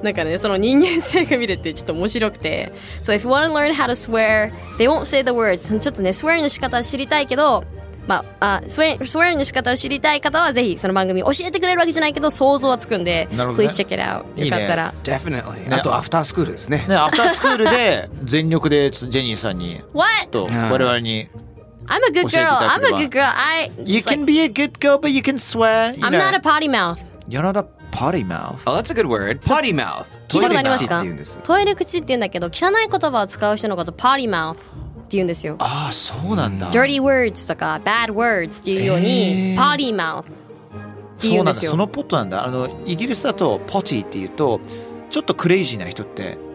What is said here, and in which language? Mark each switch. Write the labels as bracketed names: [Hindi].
[Japanese] なんかねその人間性が見れてちょっと面白くて、 [English] So if you want to learn how to swear they won't say the words、 [Japanese] ちょっとね swearing の仕方知りたいけど、まあ、swearing の仕方を知りたい方はぜひその番組教えてくれるわけじゃないけど想像はつくんで、ね、 [English] Please check it out [Japanese] いい、ね、よかったら Definitely、ね、あとアフタースクールですね。ね、アフタースクールで全力でちょっとジェニーさんにちょっと我々に、 [English] What? I'm a good girl. I'm a good girl. I. You can be a good girl, but you can swear. You I'm not a potty mouth. You're not a potty mouth. Oh, that's a good word. Potty mouth. [Japanese] 聞いたことありますか？トイレ口って言うんだけど、汚い言葉を使う人のこと potty mouth って言うんですよ。ああ、そうなんだ。 Dirty words とか bad words っていうように potty mouth って言うんですよ。そのポットなんだ。イギリスだと potty って言うとちょっとクレイジーな人って。